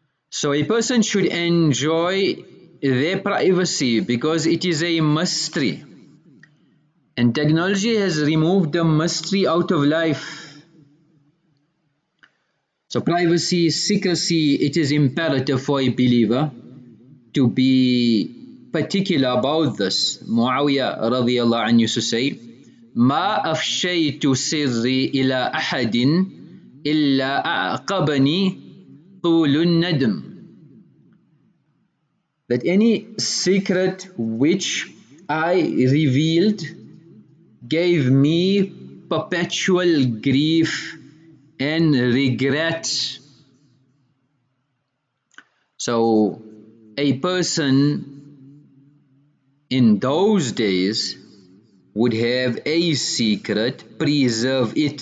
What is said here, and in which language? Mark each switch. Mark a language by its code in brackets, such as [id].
[en] So a person should enjoy their privacy because it is a mystery. And technology has removed the mystery out of life. So privacy, secrecy, it is imperative for a believer to be particular about this. [ar] Muawiya radiallahu anhu used to say, مَا أَفْشَيْتُ سِرِّي إِلَىٰ أَحَدٍ إِلَّا أَعْقَبَنِي طُولُ النَّدْمِ. [en] That any secret which I revealed gave me perpetual grief and regret. So a person in those days would have a secret, preserve it.